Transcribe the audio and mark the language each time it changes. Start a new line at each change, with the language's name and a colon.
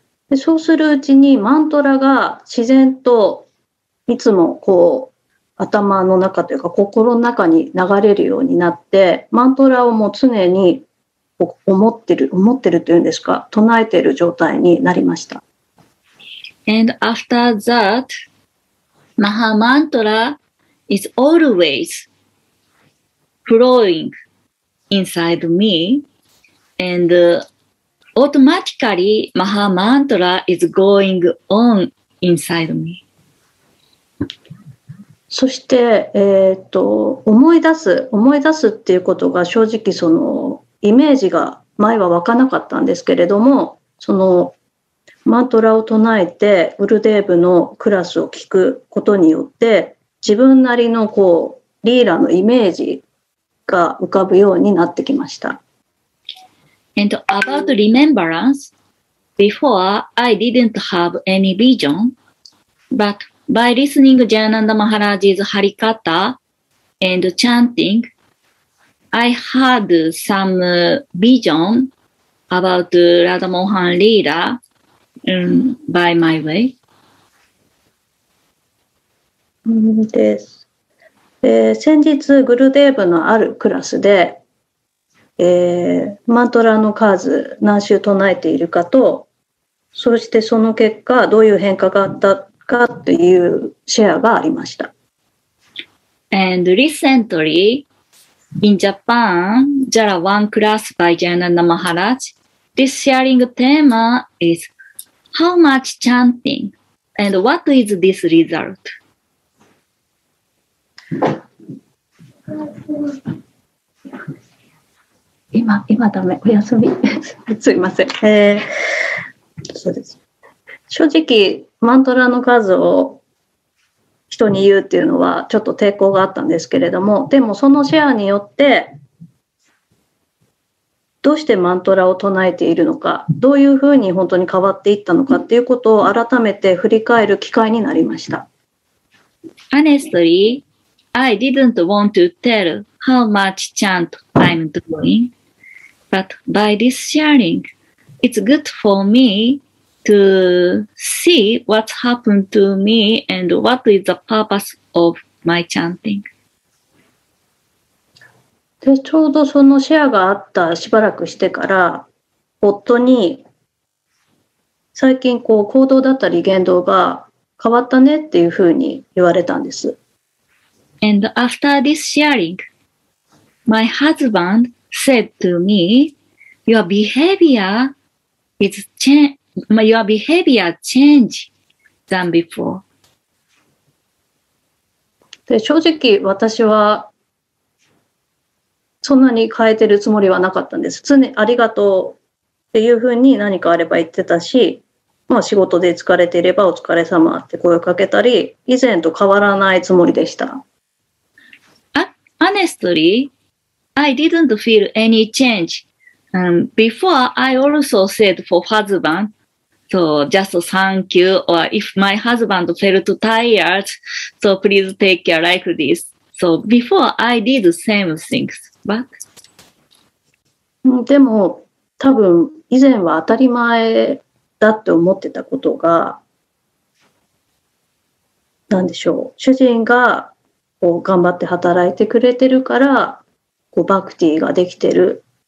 Japanese: でそうするうちにマントラが自然といつもこう頭の中というか心の中に流れるようになってマントラをもう常に思ってるというんですか唱えている状態になりました。
English: And after that, Maha Mantra is always flowing inside me and automatically, Maha Mantra is going on inside me.
Japanese: そして、思い出すっていうことが正直そのイメージが前は湧かなかったんですけれども、そのマントラを唱えてウルデーブのクラスを聞くことによって、自分なりのこうリーラのイメージが浮かぶようになってきました。
English: And about remembrance, before I didn't have any vision, but by listening Jayananda Maharaj's Harikatha and chanting, I had some vision about Radha Mohan Leela by my way.
Japanese: です。先日グルデーブのあるクラスで、マントラの数何周唱えているかと、そしてその結果どういう変化があったかというシェアがありました。
English: And recently, in Japan, there are one class by Jayananda Maharaj. This sharing theme is how much chanting and what is this result?
Japanese: 今ダメ、お休み。すいません。そうです。正直、マントラの数を人に言うっていうのはちょっと抵抗があったんですけれども、でもそのシェアによって、どうしてマントラを唱えているのか、どういうふうに本当に変わっていったのかっていうことを改めて振り返る機会になりました。
English: Honestly, I didn't want to tell how much chant I'm doing. But by this sharing, it's good for me to see what's happened to me and what is the purpose of my chanting.
Japanese: で、ちょうどそのシェアがあったしばらくしてから、夫に最近こう行動だったり言動が変わったねっていうふうに言われたんです。
English: And after this sharing, my husband said to me,Your behavior changed than before.
Japanese: で正直私はそんなに変えてるつもりはなかったんです。常にありがとうっていうふうに何かあれば言ってたし、まあ仕事で疲れていればお疲れ様って声をかけたり、以前と変わらないつもりでした。
English: Honestly, I didn't feel any change. Before, I also said for husband, so just thank you, or if my husband felt tired, so please take care like this. So before, I did the same things, but...
Japanese: でも、多分、以前は当たり前だって思ってたことが、何でしょう、主人がこう頑張って働いてくれてるから、こうバクティができてる。